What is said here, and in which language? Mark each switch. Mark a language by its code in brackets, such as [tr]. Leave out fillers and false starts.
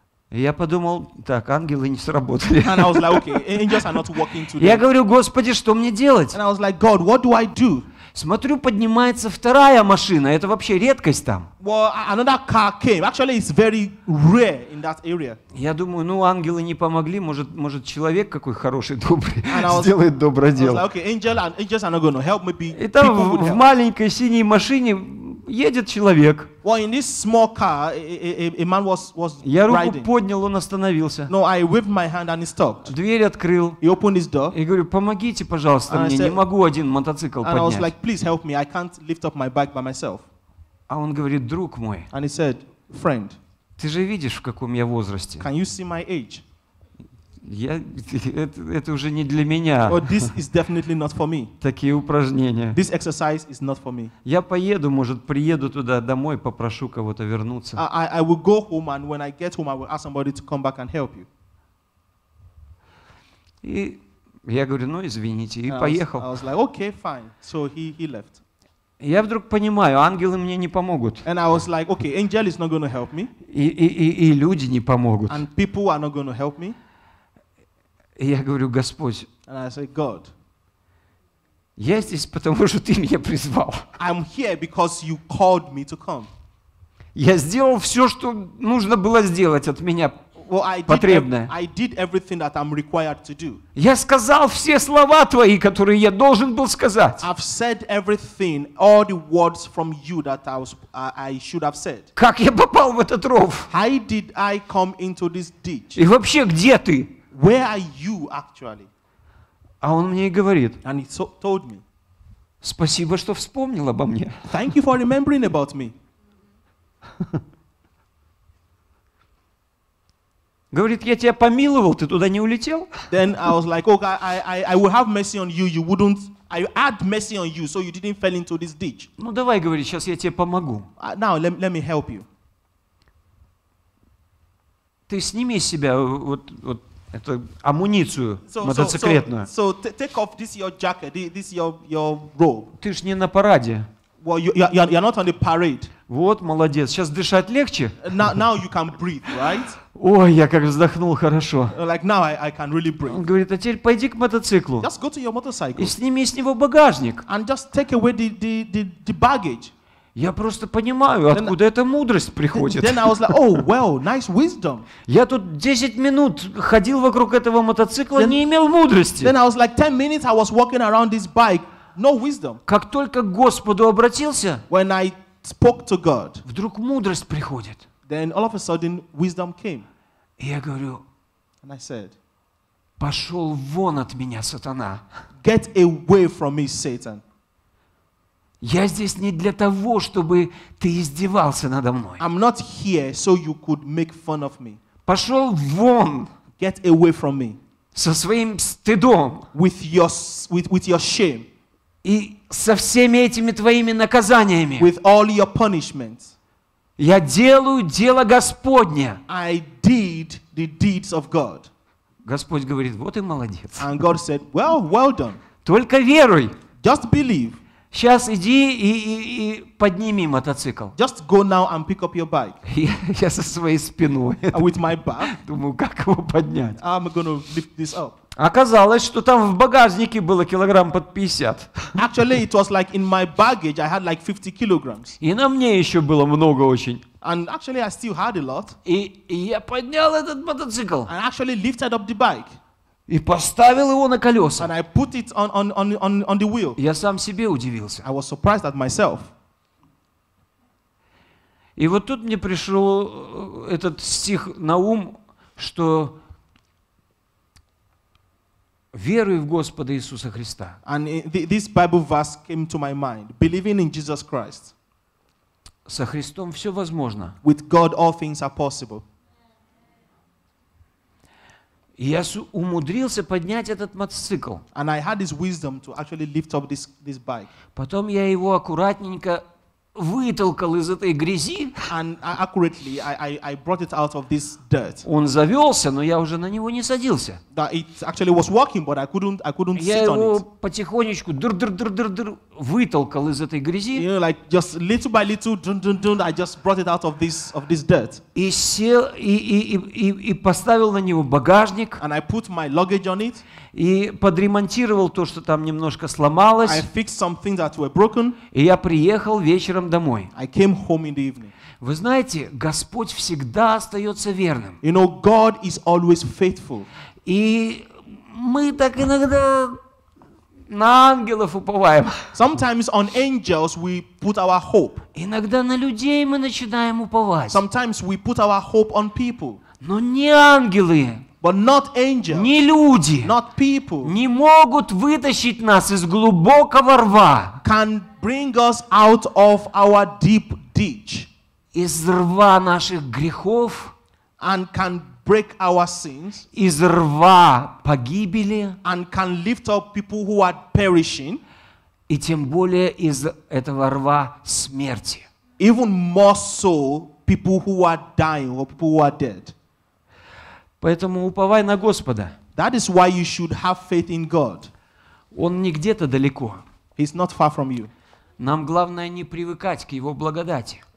[ru] Я подумал, так, ангелы не сработали. [en] And I was like, okay, angels are not working today. [ru] Я говорю, Господи, что мне делать? [en] And I was like, God, what do I do? [ru] Смотрю, поднимается вторая машина. Это вообще редкость там. [en] Well, another car came. Actually, it's very rare in that area. [ru] Я думаю, ну, ангелы не помогли. Может, человек какой хороший, добрый, сделает доброе дело. [en] Like, okay, angels are not going to help. Maybe [ru] и там в маленькой синей машине едет человек. [en] Well, in this small car, a man was riding. [ru] Я руку поднял, он остановился. [en] No, I waved my hand and he stopped. [ru] Дверь открыл. [en] He opened his door. [ru] И говорю, помогите, пожалуйста, мне, не могу один мотоцикл поднять. [en] And I was like, please help me, I can't lift up my bike by myself. [ru] А он говорит, друг мой. [en] And he said, friend. [ru] Ты же видишь, в каком я возрасте. [en] Can you see my age? [ru] Это уже не для меня. [en] Oh, this is definitely not for me. [ru] Такие упражнения. [en] This exercise is not for me. [ru] Я поеду, может, приеду туда домой, попрошу кого-то вернуться. [en] I will go home, and when I get home, I will ask somebody to come back and help you. [ru] И я говорю, ну извините, и поехал. [en] I was like, okay, fine. So he left. [ru] Я вдруг понимаю, ангелы мне не помогут. [en] And I was like, okay, angel is not going to help me. [ru] И люди не помогут. [en] And people are not going to help me. [ru] И я говорю, Господь, [en] and I say, God, [ru] я здесь, потому что ты меня призвал. [en] I'm here because you called me to come. [ru] Я сделал все, что нужно было сделать от меня, [en] well, [ru] потребное. [en] I did everything that I'm required to do. [ru] Я сказал все слова твои, которые я должен был сказать. [en] I've said everything, all the words from you that I should have said. [ru] Как я попал в этот ров? [en] How did I come into this ditch? [ru] И вообще, где ты? [en] Where are you actually? [ru] А он мне и говорит. [en] And he told me. [ru] Спасибо, что вспомнил обо мне. [en] Thank you for remembering about me. [ru] Говорит, я тебя помиловал, ты туда не улетел? [en] Then I was like, okay, I will have mercy on you. I had mercy on you, so you didn't fall into this ditch. [ru] Ну давай, говорит, сейчас я тебе помогу. [en] Now let me help you. [ru] Ты сними с себя вот это амуницию мотоциклетную. [en] So take off this your jacket, this your robe. [ru] Ты ж не на параде. [en] Well, you're not on the parade. [ru] Вот, молодец. Сейчас дышать легче. [en] Now you can breathe, right? [ru] Ой, я как вздохнул хорошо. [en] Like now I can really breathe. [ru] Он говорит, а теперь пойди к мотоциклу. [en] Just go to your motorcycle. [ru] И сними с него багажник. [en] And just take away the baggage. [ru] Я просто понимаю, откуда эта мудрость приходит. [en] Then I was like, oh, well, nice wisdom. [ru] Я тут 10 минут ходил вокруг этого мотоцикла, не имел мудрости. [en] Then I was like, 10 minutes I was walking around this bike, no wisdom. [ru] Как только к Господу обратился, [en] when I spoke to God, [ru] вдруг мудрость приходит. [en] Then all of a sudden wisdom came. [ru] И я говорю, [en] and I said, [ru] пошел вон от меня, сатана. [en] Get away from me, Satan. [ru] Я здесь не для того, чтобы ты издевался надо мной. [en] I'm not here so you could make fun of me. [ru] Пошел вон. [en] Get away from me. [ru] Со своим стыдом. [en] With your shame. [ru] И со всеми этими твоими наказаниями. [en] With all your punishments. [ru] Я делаю дело Господне. [en] I did the deeds of God. [ru] Господь говорит, вот и молодец. [en] And God said, well, well done. [ru] Только веруй. [en] Just believe. [ru] Сейчас иди и подними мотоцикл. [en] Just go now and pick up your bike. [ru] Я со своей спиной. [en] With my back. [ru] Думаю, как его поднять? [en] I'm gonna lift this up. [ru] Оказалось, что там в багажнике было килограмм под 50. [en] Actually, it was like in my baggage I had like 50 kilograms. [ru] И на мне еще было много очень. [en] And actually, I still had a lot. [ru] И я поднял этот мотоцикл. [en] And actually lifted up the bike. [ru] И поставил его на колеса. [en] And I put it on the wheel. [ru] Я сам себе удивился. [en] I was surprised at myself. [ru] И вот тут мне пришел этот стих на ум, что веруй в Господа Иисуса Христа. [en] And this Bible verse came to my mind, believing in Jesus Christ. [ru] Со Христом все возможно. [en] With God all things are possible. [ru] И я умудрился поднять этот мотоцикл. [en] And I had this wisdom to actually lift up this bike. [ru] Потом я его аккуратненько вытолкал из этой грязи. [en] And accurately, I brought it out of this dirt. [ru] Он завелся, но я уже на него не садился. [en] That it actually was working, but I couldn't sit on it. [ru] Я его потихонечку дур-дур-дур-дур-дур вытолкал из этой грязи. [en] You know, like just little by little, dun-dun-dun, I just brought it out of this dirt. [ru] И сел и поставил на него багажник. [en] And I put my luggage on it. [ru] И подремонтировал то, что там немножко сломалось. [en] I fixed some things that were broken. [ru] И я приехал вечером домой. [en] I came home in the evening. [ru] Вы знаете, Господь всегда остается верным. [en] You know, God is always faithful. [ru] И мы так иногда на ангелов уповаем. [en] Sometimes on angels we put our hope. [ru] Иногда на людей мы начинаем уповать. [en] Sometimes we put our hope on people. [ru] Но не ангелы. [en] But not angels, [ru] не люди, [en] not people, [ru] не могут вытащить нас из глубокого рва, [en] can bring us out of our deep ditch, [ru] из рва наших грехов, [en] and can break our sins, [ru] из рва погибели, [en] and can lift up people who are perishing, [ru] и тем более из этого рва смерти, [en] even more so people who are dying or people who are dead. [ru] Поэтому уповай на Господа. [en] That is why you should have faith in God. [ru] Он не где-то далеко. [en] He's not far from you. [ru] Нам главное не привыкать к Его благодати.